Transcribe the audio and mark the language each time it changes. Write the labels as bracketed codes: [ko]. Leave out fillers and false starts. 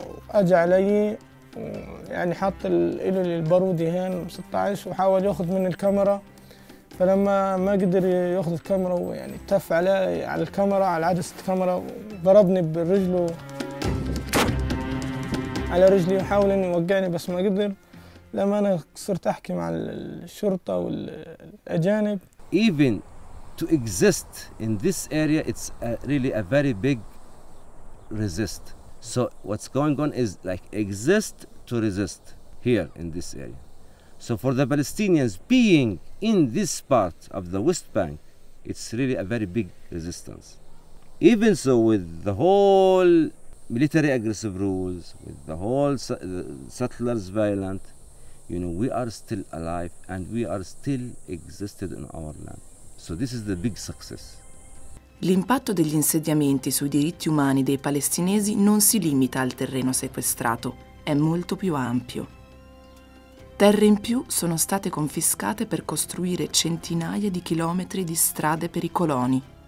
[ar] أجى علي يعني حط إله البارودي هين 16 وحاول ياخذ من الكاميرا فلما ما قدر ياخذ الكاميرا ويعني تف على الكاميرا على عدسة الكاميرا وضربني برجله على رجلي وحاول إنه يوقعني بس ما قدر لما انا صرت احكي مع الشرطه والاجانب [en] even to exist in this area it's a really a very big resist so what's going on is like exist to resist here in this area so for the Palestinians being in this part of the West Bank it's really a very big resistance even so with the whole military aggressive rules with the whole settlers violent You know, we are still alive and we are still existed in our land. So this is the big success. [it] L'impatto degli insediamenti sui diritti umani dei palestinesi non si limita al terreno sequestrato, è molto più ampio. Terre in più sono state confiscate per costruire centinaia di chilometri di strade per i coloni.